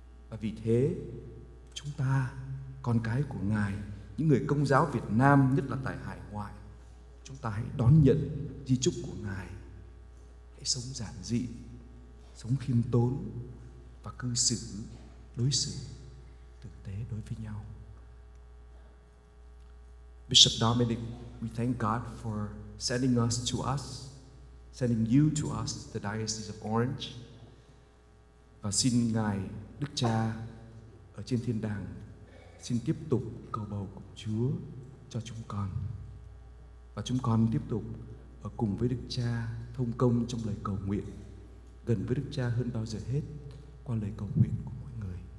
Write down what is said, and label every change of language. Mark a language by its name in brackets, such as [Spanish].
[Vietnamese] Và vì thế, chúng ta, con cái của Ngài, những người Công giáo Việt Nam, nhất là tại hải ngoại, chúng ta hãy đón nhận di chúc của Ngài. Hãy sống giản dị, sống khiêm tốn và cư xử, đối xử tử tế đối với nhau. [English] Bishop Dominic, we thank God for sending us to us, sending you to us, the Diocese of Orange. [Vietnamese] Và xin Ngài, Đức Cha, ở trên thiên đàng, xin tiếp tục cầu bầu cùng Chúa cho chúng con. Và chúng con tiếp tục ở cùng với Đức Cha thông công trong lời cầu nguyện, gần với Đức Cha hơn bao giờ hết qua lời cầu nguyện của mỗi người.